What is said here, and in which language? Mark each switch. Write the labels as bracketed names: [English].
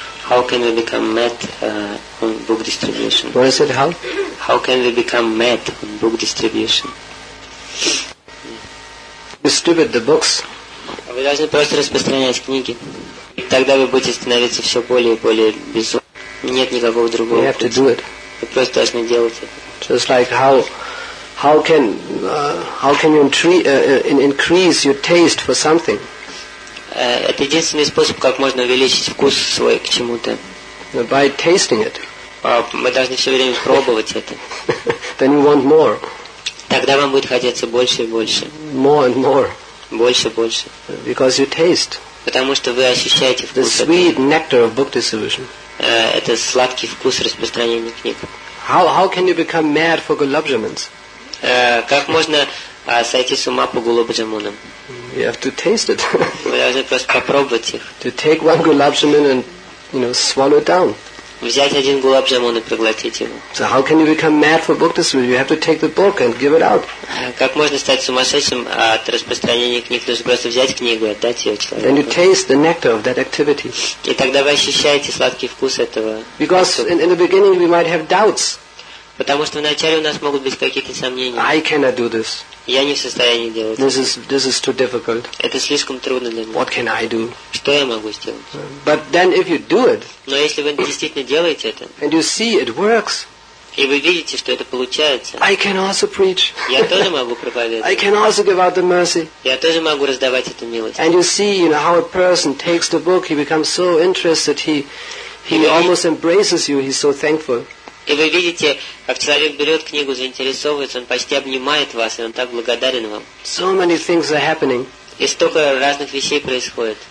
[English] How can we become mad on book distribution? What is it, how? How can we become mad on book distribution? Distribute the books. [Russian] Вы должны просто распространять книги. И тогда вы будете становиться все более и более безумными. Нет никакого другого пути. [English] You have to do it. [Russian] Вы просто должны делать это. [English] Just like how can you increase your taste for something? [Russian] Это единственный способ, как можно увеличить вкус свой к чему-то. [English] By tasting it. [Russian] Мы должны все время пробовать это. [English] Then you want more. [Russian] Тогда вам будет хотеться больше и больше. [English] More and more. [Russian] Больше и больше. [English] Because you taste. [Russian] Потому что вы ощущаете вкус. [English] The sweet nectar of book distribution. [Russian] Это сладкий вкус распространения книг. [English] How can you become mad for Gulabjamuns? [Russian] Как можно сойти с ума по Гулабджамунам? [English] You have to taste it. [Russian] Вы должны просто попробовать их. [English] To take one gulabjamun and, you know, swallow it down. [Russian] Взять один гулабджамун и проглотить его. [English] So how can you become mad for book distribution? You have to take the book and give it out. [Russian] Как можно стать сумасшедшим от распространения книг? Нужно просто взять книгу и отдать ее человеку. [English] Then you taste the nectar of that activity. [Russian] И тогда вы ощущаете сладкий вкус этого. [English] Because in the beginning we might have doubts. [Russian] Потому что вначале у нас могут быть какие-то сомнения. [English] I cannot do this. [Russian] Я не в состоянии делать. [English] This is too difficult. [Russian] Это слишком трудно для меня. [English] What can I do? [Russian] Что я могу сделать? [English] But then if you do it. [Russian] Но если вы действительно делаете это. [English] And you see it works. [Russian] И вы видите, что это получается. [English] I can also preach. [Russian] Я тоже могу проповедовать. [English] I can also give out the mercy. [Russian] Я тоже могу раздавать эту милость. [English] And you see, you know, how a person takes the book, he becomes so interested, he almost embraces you, he's so thankful. [Russian] И вы видите, как человек берет книгу, заинтересовывается, он почти обнимает вас, и он так благодарен вам. [English] So many things are happening. [Russian] И столько разных вещей происходит.